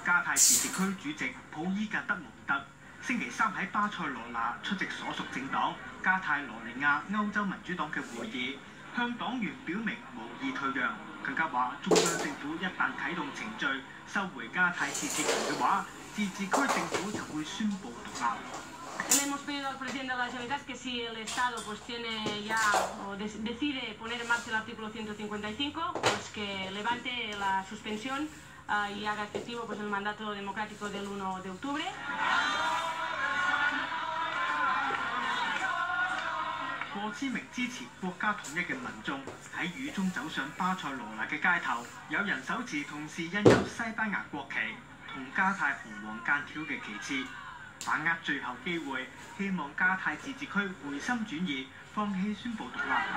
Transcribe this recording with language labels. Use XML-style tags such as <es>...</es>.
<zh>加泰自治区主席普伊格德蒙特星期三在巴塞罗那出席所属政党加泰罗尼亚欧洲民主党的会议，向党员表明无意退让，更加说中央政府一旦启动程序收回加泰自治权的话，自治区政府就会宣布独立。</zh> <es>Hemos pedido al presidente de las Generalitat que si el Estado pues tiene ya o decide poner en marcha el artículo 155, pues que levante la suspensión y haga efectivo pues el mandato democrático del 1 de octubre.</es> <zh>Por 知名支持国家统一的民众在雨中走上巴塞罗那的街头，有人手持同时印有西班牙国旗和加泰红黄间条的旗帜。把握最後機會，希望加泰自治區回心轉意，放棄宣布獨立。</zh>